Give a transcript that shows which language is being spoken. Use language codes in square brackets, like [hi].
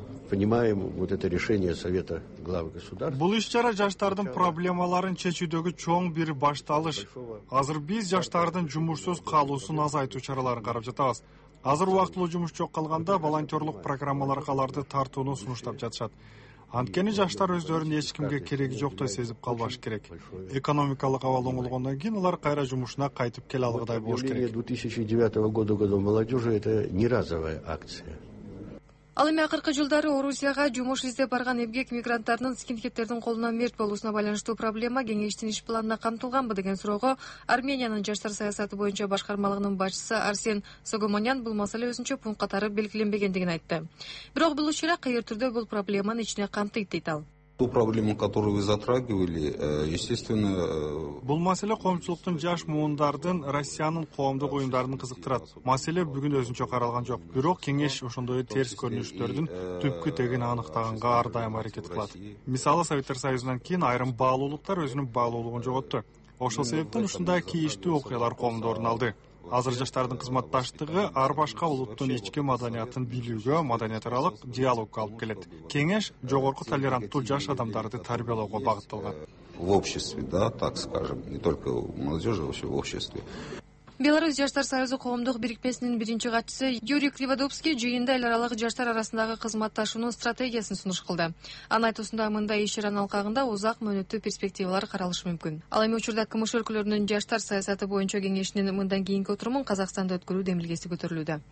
[ru] Понимаем вот это решение Совета глав государств. [ky] Бул иш-чара жаштардын проблемаларын чечүүдөгү чоң бир башталыш. Азыр биз жаштардын жумушсуз калуусун азайтуу чараларын карап жатабыз. Азыр убактылуу жумуш жок калганда волонтёрлук программаларга аларды тартууну сунуштап жатышат. Анткени жаштар өздөрүн эч кимге кереги жок деп сезип калбаш керек. Экономикалык абал оңолгондон кийин алар кайра жумушуна кайтып келе алгыдай болуш керек. [ru] 2009 году годом молодёжи это не разовая акция. [ky] Ал эми акыркы жылдары Орусияга жумуш издеп барган эмгек мигранттарынын скинхеттердин колунан мерт болуусуна байланыштуу проблема кеңештин иш планына камтылганбы деген суроого Армениянын жаштар саясаты боюнча башкармалыгынын башчысы Арсен Согомонян бул маселе өзүнчө пункт катары белгиленбегендигин айтты. Бирок бул иш-чара кайыр түрдө бул проблеманы ичине камтыйт, дейт ал. [ru] Ту проблему, которую вы затрагивали, естественно... [ky] Бул маселе коомчулуктун жаш муундардын Россиянын коомдук уюмдарын кызыктырат. Маселе бүгүн өзүнчө каралган жок. Бирок кеңеш ошондой терс көрүнүштөрдүн түпкү тегин аныктаганга ар дайым аракет кылат. Мисалы, Советтер Союзунан кийин айрым баалуулуктар өзүнүн баалуулугун жоготту. Ошол себептен ушундай кийиштүү окуялар коомдо орун алды. Азыр жаштардын кызматташтыгы ар башка улуттун ички маданиятын билүүгө маданияаралык диалогко алып келет. Кеңеш жогорку толеранттуу жаш адамдарды тарбиялоого багытталган. [ru] В обществе, да, так скажем, не только у молодежи, вообще в обществе. [ky] Беларусь жаштар союзу коомдук бирикмесинин биринчи катчысы Юрий Кривадубский жыйында эл аралык жаштар арасындагы кызматташуунун стратегиясын сунуш кылды. Анын айтуусунда мындай иш-чаранын алкагында узак мөөнөттүү перспективалар каралышы мүмкүн. Ал эми учурда КМШ өлкөлөрүнүн жаштар саясаты боюнча кеңешинин мындан кийинки отурумун Казакстанда өткөрүү демилгеси көтөрүлүүдө.